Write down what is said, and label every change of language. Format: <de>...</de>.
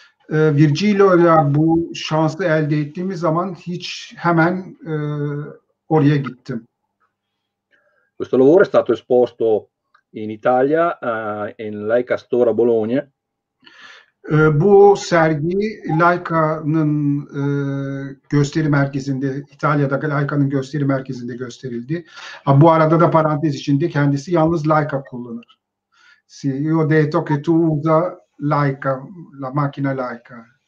<tr>Virgilio'yla bu şansı elde ettiğimiz zaman hiç hemen oraya gittim.</tr> <it>Questo lavoro è stato esposto in Italia in Leica Store a Bologna.</it> <tr>Bu sergi Leica'nın gösteri merkezinde, İtalya'da Leica'nın gösteri merkezinde gösterildi. Bu arada da parantez içinde kendisi yalnız Leica kullanır.</tr> <it>Si, io detto che tu usa Leica, la macchina Leica.</it>